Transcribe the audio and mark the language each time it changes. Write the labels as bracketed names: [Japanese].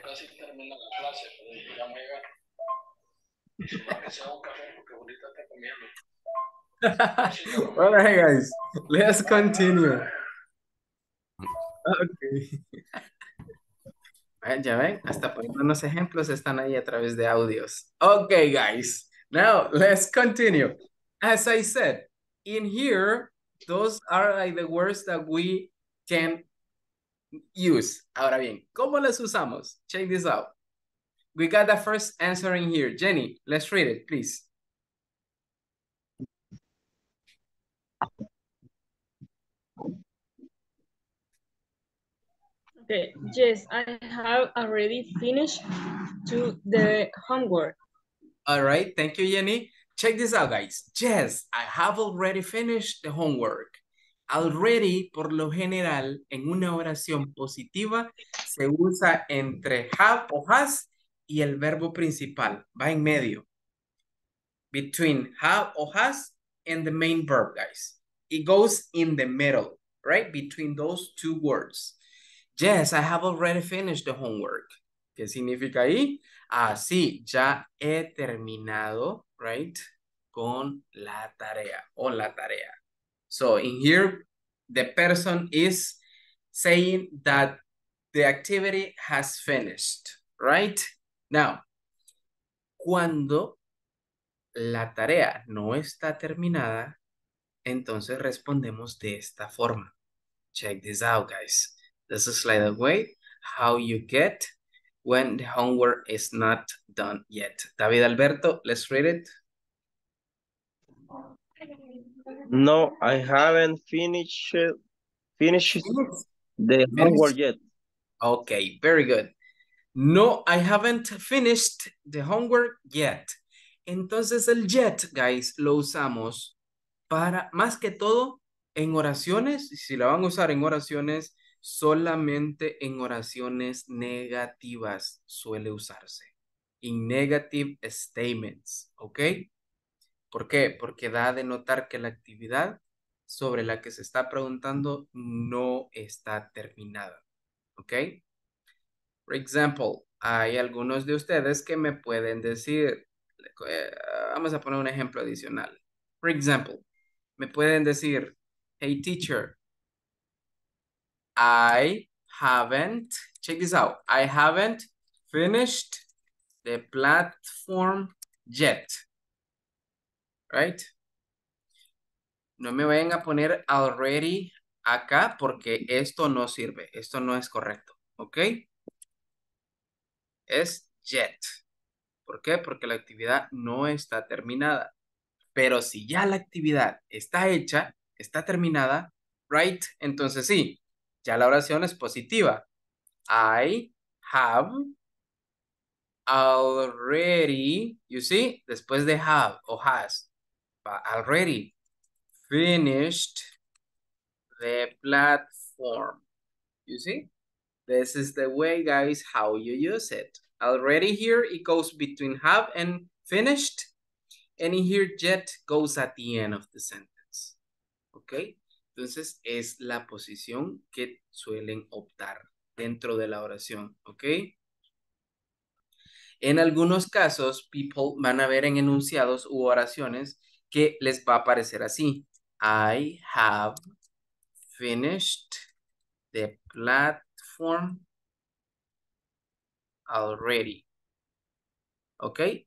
[Spanish] Casi termina la clase, pero ya me llegaron. Y su madre se va a un café porque bonito está comiendo. [English] All right, guys, let's continue. Okay. [Spanish] Ven, ya ven, hasta poniendo unos ejemplos están ahí a través de audios. [English] Okay, guys, now let's continue. As I said, in here, those are like the words that we can use. [Spanish] Ahora bien, ¿cómo las usamos? [English] Check this out. We got the first answer in here. Jenny, let's read it, please. Okay. Yes, I have already finished to the homework. All right. Thank you, Jenny. Check this out, guys. Yes, I have already finished the homework. [Spanish] Already, por lo general, en una oración positiva, se usa entre have o has y el verbo principal. Va en medio. [English] Between have o has and the main verb, guys. It goes in the middle, right? Between those two words. Yes, I have already finished the homework. [Spanish] ¿Qué significa ahí? Ah, sí, ya he terminado, right? Con la tarea, o la tarea. [English] So, in here, the person is saying that the activity has finished, right? [Spanish] Now, cuando la tarea no está terminada, entonces respondemos de esta forma. [English] Check this out, guys. This is like the way how you get when the homework is not done yet. David Alberto, let's read it. No, I haven't finished the homework yet. Okay, very good. No, I haven't finished the homework yet. [Spanish] Entonces el yet, guys, lo usamos para, más que todo, en oraciones. Si la van a usar en oraciones, solamente en oraciones negativas suele usarse. [English] In negative statements, ¿ok? [Spanish] ¿Por qué? Porque da a denotar que la actividad sobre la que se está preguntando no está terminada, ¿ok? For example, hay algunos de ustedes que me pueden decir, vamos a poner un ejemplo adicional. [English] For example, [Spanish] me pueden decir, [English] hey teacher, I haven't, check this out, I haven't finished the platform yet, right? [Spanish] No me vayan a poner already acá porque esto no sirve, esto no es correcto, ¿ok? Es yet. ¿Por qué? Porque la actividad no está terminada. Pero si ya la actividad está hecha, está terminada, right? Entonces sí. Ya la oración es positiva. [English] I have already, you see, [Spanish] después de [English] have o has, already finished the platform. You see? This is the way, guys, how you use it. Already here, it goes between have and finished. And in here, yet goes at the end of the sentence. Okay? [Spanish] Entonces, es la posición que suelen optar dentro de la oración, ¿ok? En algunos casos, people van a ver en enunciados u oraciones que les va a aparecer así. [English] I have finished the platform already. ¿Ok?